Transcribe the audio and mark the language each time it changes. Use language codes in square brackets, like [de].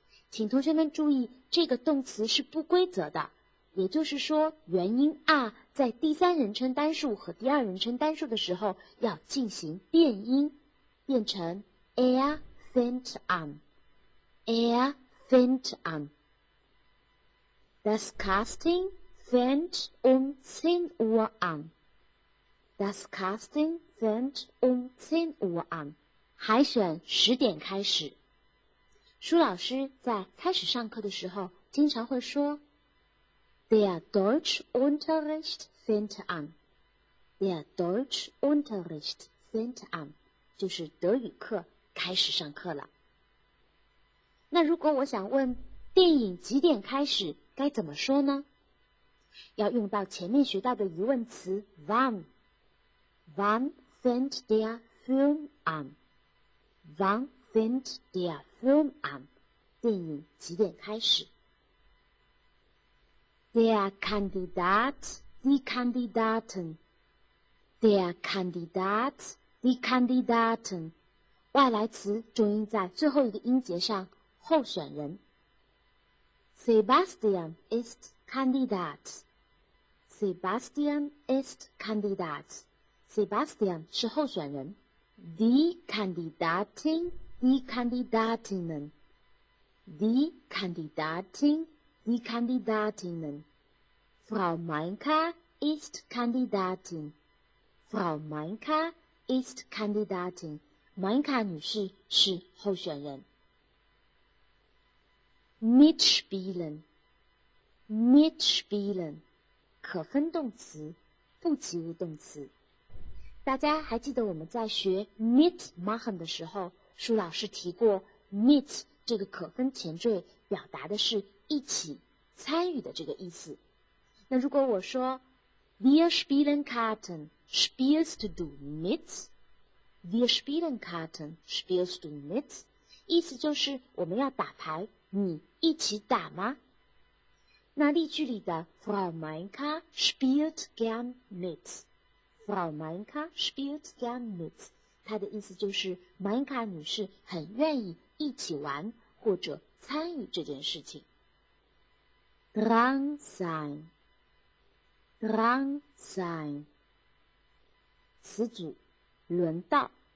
[zh] 请同学们注意，这个动词是不规则的，也就是说元音 a 在第三人称单数和第二人称单数的时候要进行变音，变成 [de] er fängt an， er fängt an。 Das Casting fängt um 10 Uhr an， Das Casting fängt um 10 Uhr an。 [zh] 海选十点开始。舒老师在开始上课的时候经常会说 [de] Der Deutschunterricht fängt an， Der Deutschunterricht fängt an， [zh] 就是德语课开始上课了。那如果我想问电影几点开始该怎么说呢？要用到前面学到的疑问词 Wann。 [de] Wann fängt der Film an？ Wann fängt der Film an？ [zh] 电影几点开始？ [de] Der Kandidat, die Kandidaten. Der Kandidat, die Kandidaten. [zh] 外来词重音在最后一个音节上，候选人。 [de] Sebastian ist Kandidat. Sebastian ist Kandidat. [zh] Sebastian 是候选人。 [de] Die Kandidatin. Die Kandidatinnen. Die Kandidatin, die Kandidatinnen. Frau Meinka ist Kandidatin. Frau Meinka ist Kandidatin. [zh] Meinka 女士是候选人。 [de] Mitspielen. Mitspielen. [zh] 可分动词，不及物动词。大家还记得我们在学 mitmachen 的时候，舒老师提过 mit 这个可分前缀表达的是一起参与的这个意思。那如果我说 [de] Wir spielen Karten, spielst du mit? Wir spielen Karten, spielst du mit? [zh] 意思就是我们要打牌，你一起打吗？那例句里的 [de] Frau Meinka spielt gern mit. Frau Meinka spielt gern mit. [zh] 他的意思就是玛因卡女士很愿意一起玩或者参与这件事情。 [de] dran sein， dran sein， [zh] 词组轮到。